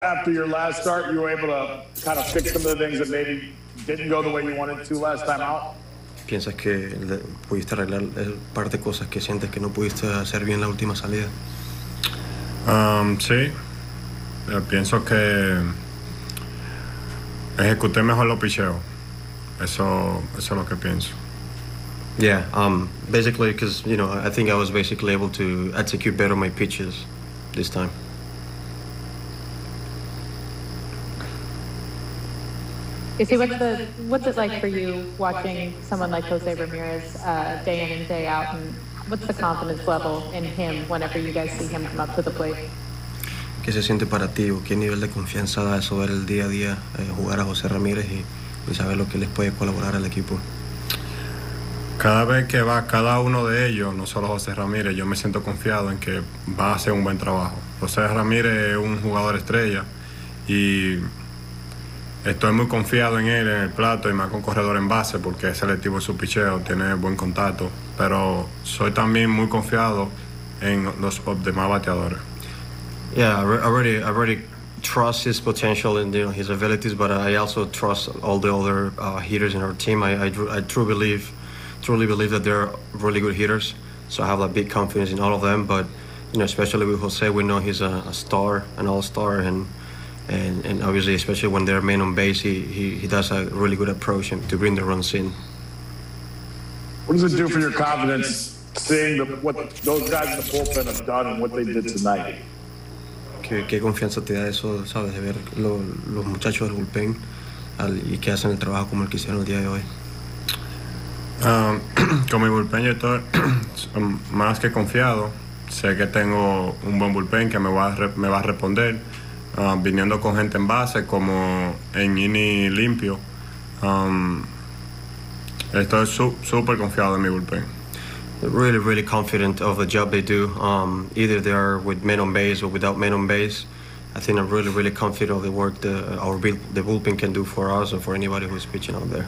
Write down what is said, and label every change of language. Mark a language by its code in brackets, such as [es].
[en] After your last start, you were able to kind of fix some of the things that maybe didn't go the way you wanted to last time out. [es] ¿Piensas que pudiste arreglar el par de cosas que sientes que no pudiste hacer bien la última salida? Sí. Pienso que ejecuté mejor los picheos. Eso es lo que pienso. [en] Yeah, basically, because, you know, I think I was basically able to execute better my pitches this time. Izzy, what's it like for you watching someone like Jose Ramirez day in and day out, and what's the confidence level in him whenever you guys see him come up to the plate? [es] ¿Qué se siente para ti o qué nivel de confianza da eso ver el día a día jugar a José Ramírez y saber lo que les puede colaborar al equipo? Cada vez que va cada uno de ellos, no solo José Ramírez, yo me siento confiado en que va a hacer un buen trabajo. José Ramírez es un jugador estrella y estoy muy confiado en él, en el plato y más con corredor en base porque es selectivo en su picheo, tiene buen contacto, pero soy también muy confiado en los demás bateadores. [en] Yeah, I already trust his potential and, you know, his abilities, but I also trust all the other hitters in our team. I truly believe that they're really good hitters, so I have a big confidence in all of them. But, you know, especially with Jose, we know he's a star, an all-star, and obviously, especially when they're main on base, he does a really good approach to bring the runs in. What does it do for your confidence seeing what those guys in the bullpen have done and what they did tonight? [es] ¿Qué confianza te da eso, sabes, de ver los muchachos del bullpen y que hacen el trabajo como el que hicieron el día de hoy? Con mi bullpen yo estoy más que confiado. Sé que tengo un buen bullpen que me va a responder. Viniendo con gente en base, como en inning limpio, estoy súper confiado en mi bullpen. [en] Really, really confident of the job they do. Either they are with men on base or without men on base. I think I'm really, really confident of the work the bullpen can do for us or for anybody who's pitching out there.